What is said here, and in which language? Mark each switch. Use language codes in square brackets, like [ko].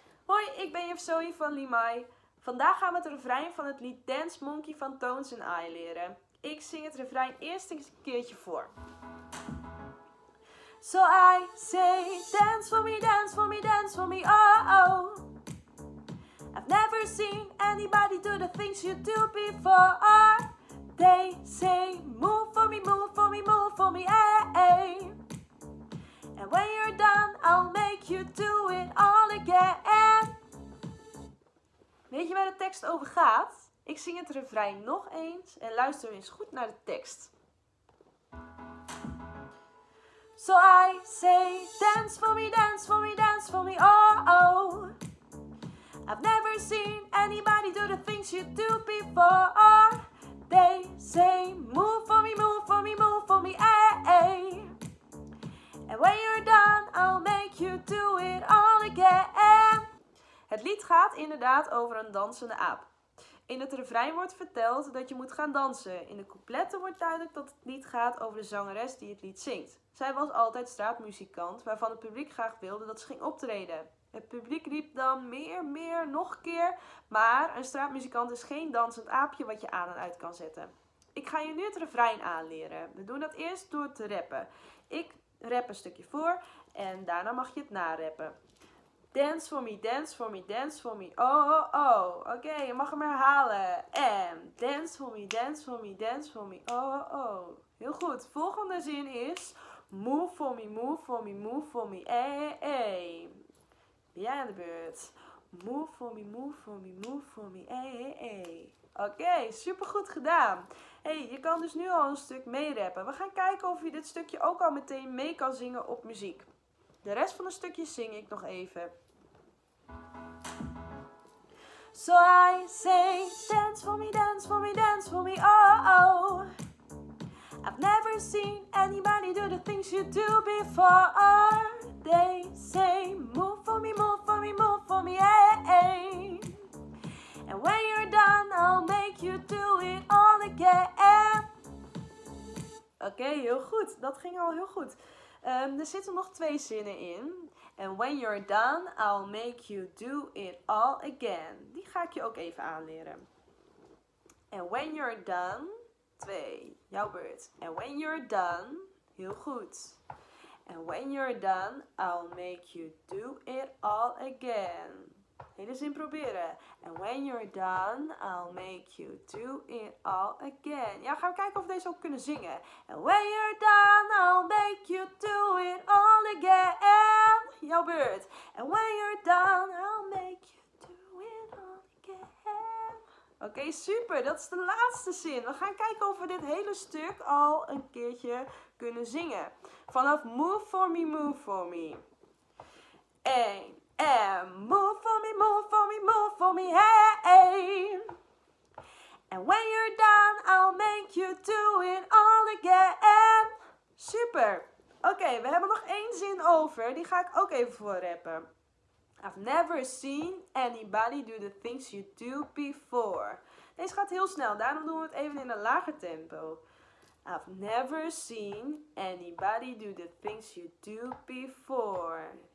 [nl] Hoi, ik ben Juf Zoe van Limai. Vandaag gaan we het refrein van het lied Dance Monkey van Tones and I leren. Ik zing het refrein eerst een keertje voor. [en] So I say, dance for me, dance for me, dance for me, oh oh. I've never seen anybody do the things you do before. They say, move for me, move for me, move for me, eh eh. And when you're done, I'll make you do it all again. [nl] Weet je waar de tekst over gaat? Ik zing het refrein nog eens en luister eens goed naar de tekst. [en] So I say, dance for me, dance for me, dance for me, oh oh. I've never seen anybody do the things you do before. They say, move for me, move for me, move for me, eh eh. And when you're done, I'll make you do it all again. [nl] Het lied gaat inderdaad over een dansende aap. In het refrein wordt verteld dat je moet gaan dansen. In de coupletten wordt duidelijk dat het lied gaat over de zangeres die het lied zingt. Zij was altijd straatmuzikant, waarvan het publiek graag wilde dat ze ging optreden. Het publiek riep dan meer, meer, nog een keer. Maar een straatmuzikant is geen dansend aapje wat je aan en uit kan zetten. Ik ga je nu het refrein aanleren. We doen dat eerst door te rappen. Ik rap een stukje voor en daarna mag je het narappen. [en] Dance for me, dance for me, dance for me, oh oh oh. [nl] Oké, je mag hem herhalen. En [en] dance for me, dance for me, dance for me, oh oh oh. [nl] Heel goed, volgende zin is [en] move for me, move for me, move for me, eh eh. [nl] Ben jij aan de beurt? [en] Move for me, move for me, move for me, eh eh eh. [nl] Oké, supergoed gedaan. Hey, je kan dus nu al een stuk meerappen. We gaan kijken of je dit stukje ook al meteen mee kan zingen op muziek. De rest van de stukjes zing ik nog even. [en] So I say, dance for me, dance for me, dance for me, oh oh. I've never seen anybody do the things you do before. They say, move for me, move for me, move for me, hey, hey. And when you're done, I'll make you do it all again. [nl] Oké, heel goed. Dat ging al heel goed. Er zitten nog twee zinnen in. [en] And when you're done, I'll make you do it all again. [nl] Die ga ik je ook even aanleren. [en] And when you're done, [nl] twee, jouw beurt. [en] And when you're done, [nl] heel goed. [en] And when you're done, I'll make you do it all again. [nl] Hele zin proberen. [en] And when you're done, I'll make you do it all again. [nl] Ja, gaan we kijken of we deze ook kunnen zingen. [en] And when you're done, I'll make you do it all again. [nl] Jouw beurt. [en] And when you're done, I'll make you do it all again. [nl] Oké, super. Dat is de laatste zin. We gaan kijken of we dit hele stuk al een keertje kunnen zingen. Vanaf [en] move for me, move for me. 1. And move for me, move for me, move for me, hey, hey. And when you're done, I'll make you do it all again. [nl] Super. Oké, we hebben nog één zin over. Die ga ik ook even voorrappen. [en] I've never seen anybody do the things you do before. [nl] Deze gaat heel snel, daarom doen we het even in een lager tempo. [en] I've never seen anybody do the things you do before.